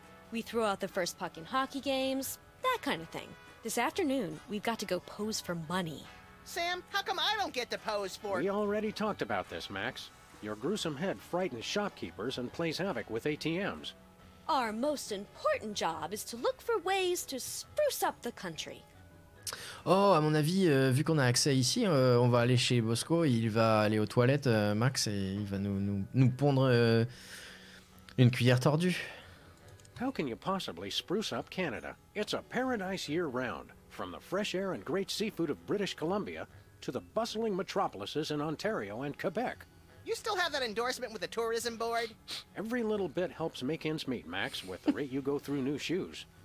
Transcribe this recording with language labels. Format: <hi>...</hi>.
<en>We throw out the first puck in hockey games, that kind of thing. This afternoon, we've got to go pose for money. Sam, how come I don't get to pose for... We already talked about this, Max. Your gruesome head frightens shopkeepers and plays havoc with ATMs. Our most important job is to look for ways to spruce up the country.</en> <fr>Oh, à mon avis, vu qu'on a accès ici, on va aller chez Bosco, il va aller aux toilettes, Max, et il va nous pondre une cuillère tordue.</fr> <en>How can you possibly spruce up Canada? It's a paradise year-round, from the fresh air and great seafood of British Columbia to the bustling metropolises in Ontario and Quebec. You still have that endorsement with the tourism board? Every little bit helps make ends meet, Max, with the rate you go through new shoes.</en>